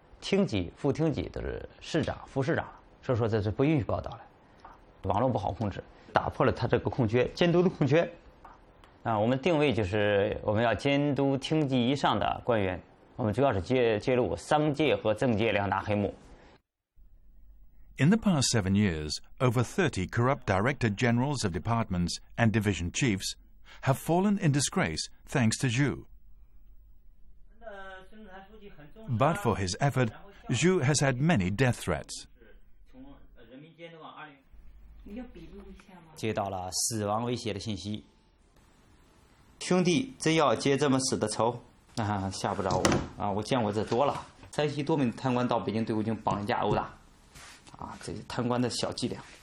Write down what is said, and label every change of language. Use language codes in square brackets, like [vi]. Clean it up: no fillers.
[zh] 厅级、副厅级都是市长、副市长，所以说这是不允许报道了。网络不好控制，打破了他这个空缺，监督的空缺。啊，我们定位就是我们要监督厅级以上的官员，我们主要是揭露商界和政界两大黑幕。 [en] In the past 7 years, over 30 corrupt director generals of departments and division chiefs have fallen in disgrace thanks to Zhu. But for his effort, Zhu has had many death threats. [zh] 接到了死亡威胁的信息。兄弟，真要结这么死的仇，那吓不着我啊！我见过这多了。山西多名贪官到北京对我进行绑架殴打，啊，这是贪官的小伎俩。